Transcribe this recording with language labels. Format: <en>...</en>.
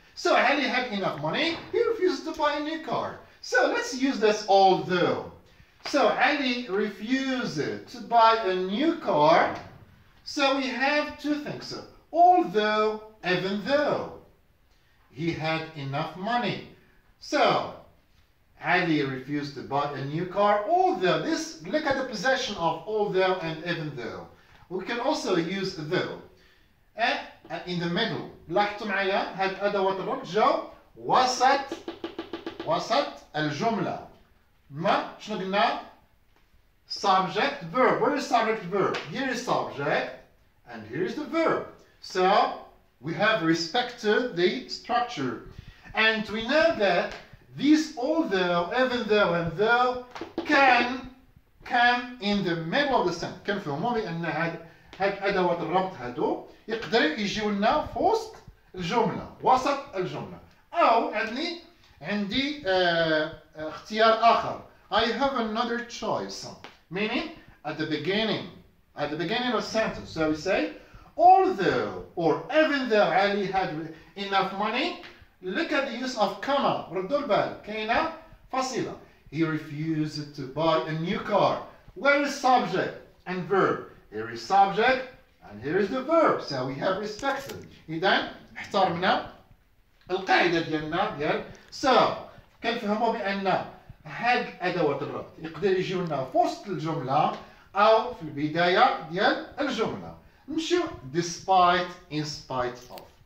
<en>So Ali had enough money, he refused to buy a new car. So let's use this although. So Ali refused to buy a new car. So we have two things. Although, even though he had enough money. So Ali refused to buy a new car. Although, this, look at the possession of although and even though. We can also use though. In the middle.</en> <ar>لاحظتوا معايا هاد أدوات الربط جاو وسط وسط الجملة. ما شنو قلنا؟ Subject verb.</ar> <en>Where is subject verb? Here is subject and here is the verb. So we have respected the structure. And we know that these although, even though, and though can in the middle of the sentence.</en> <ar>كان في عمومي أن هاد أدوات الربط هادو يقدر يجيو لنا في وسط الجملة، وسط الجملة. أو عندي اختيار آخر.</ar> <en>I have another choice. Meaning at the beginning of a sentence. So we say although or even though Ali had enough money. Look at the use of comma.</en> <ar>ردوا البال. كاينة فصيلة.</ar> <en>He refused to buy a new car. Where is subject and verb? Here is subject and here is the verb. So we have respected.</en> <ar>إذن احترمنا القاعدة ديالنا ديال so كنفهموا بأن هاد أدوات الربط يقدر يجيو لنا في وسط الجملة أو في البداية ديال الجملة. نمشيو despite in spite of.</ar>